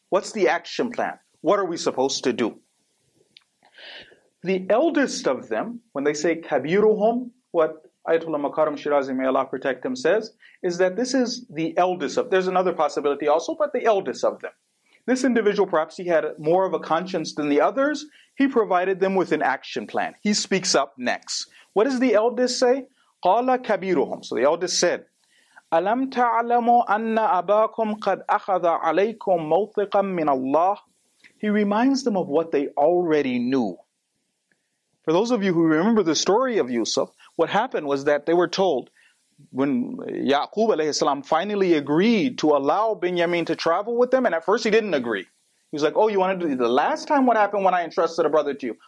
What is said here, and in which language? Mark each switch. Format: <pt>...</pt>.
<en>What's the action plan? What are we supposed to do? The eldest of them, when they say kabiruhum, what Ayatollah Makarim Shirazi, may Allah protect him, says, is that this is the eldest of, there's another possibility also, but the eldest of them. This individual, perhaps he had more of a conscience than the others, he provided them with an action plan. He speaks up next. What does the eldest say?</en> <ar>Qala kabiruhum.</ar> <en>So the eldest said,</en> <ar>أَلَمْ تَعْلَمُوا أَنَّ أَبَاكُمْ قَدْ أَخَذَ عَلَيْكُمْ مَوْثِقًا مِّنَ اللَّهِ.</ar> <en>He reminds them of what they already knew. For those of you who remember the story of Yusuf, what happened was that they were told, when Ya'qub alayhi salam finally agreed to allow Benjamin to travel with them, and at first he didn't agree. He was like, oh, you want to do the last time? What happened when I entrusted a brother to you?</en>